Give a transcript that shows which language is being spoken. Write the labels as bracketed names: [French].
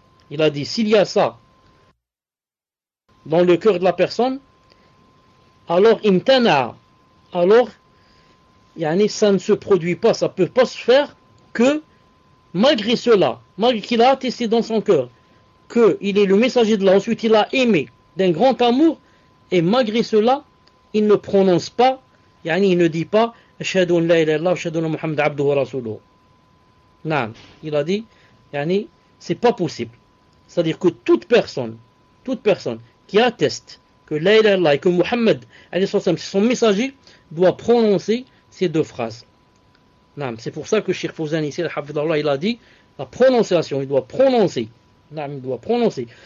[French] Il a dit, s'il y a ça dans le cœur de la personne, alors imtana, alors yani, ça ne se produit pas, ça ne peut pas se faire que malgré cela, malgré qu'il a attesté dans son cœur qu'il est le messager d'Allah, ensuite il a aimé d'un grand amour, et malgré cela, il ne prononce pas, yani, il ne dit pas. [Arabic] أشهد أن لا إله إلا الله وأشهد أن محمد عبده ورسوله. نعم. [French] Il a dit, يعني, c'est pas possible. C'est-à-dire que toute personne qui atteste que la إله إلا الله et que Muhammad, c'est son messager, doit prononcer ces deux phrases. نعم. C'est pour ça que Cheikh Fouzan ici, il a dit, la prononciation, il doit prononcer. نعم, il doit prononcer.